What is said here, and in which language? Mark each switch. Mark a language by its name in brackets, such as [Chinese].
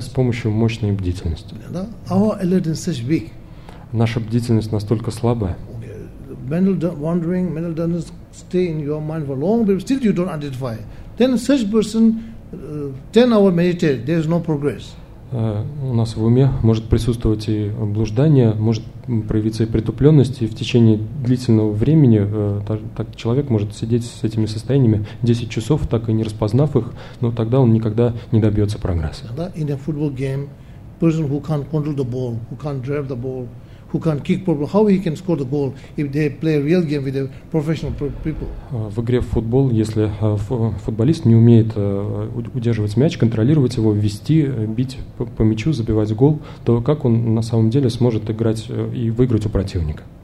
[Russian] С помощью мощной бдительности. [English] Yeah, our alertness is weak. [Russian] Наша бдительность настолько слабая. [English] Mental wandering, mental dullness stay in your mind for long period, still you don't identify. Then such person 10 hours meditate, there is no progress. [Russian] У нас в уме может присутствовать и блуждание, может проявиться и притупленность, и в течение длительного времени так человек может сидеть с этими состояниями 10 часов, так и не распознав их, но тогда он никогда не добьется прогресса. [English] In a football game, person who can't control the ball, who can't drive the ball, who can't kick properly, how he can score the goal if they play a real game with the professional people? [Russian] В игре в футбол, если футболист не умеет удерживать мяч, контролировать его, вести, бить по мячу, забивать гол, то как он на самом деле сможет играть и выиграть у противника?